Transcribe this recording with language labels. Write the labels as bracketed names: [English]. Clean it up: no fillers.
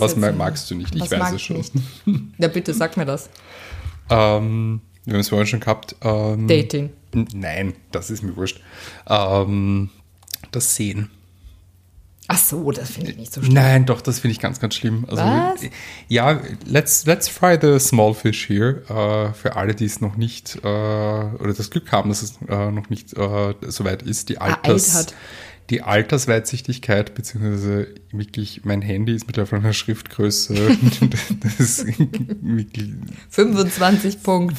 [German] was magst du nicht? Ich weiß es schon. Nicht. Ja, bitte sag mir das. Wir haben es vorhin schon gehabt. Dating. Nein, das ist mir wurscht. Das Sehen. Ach so, das finde ich nicht so schlimm. Nein, doch, das finde ich ganz, ganz schlimm. Also, was? [English] Ja, let's fry the small fish here. [German] Für alle, die es noch nicht, oder das Glück haben, dass es noch nicht so weit ist. Die Altersweitsichtigkeit, beziehungsweise wirklich, mein Handy ist mittlerweile einer Schriftgröße. Das ist wirklich 25 Punkt.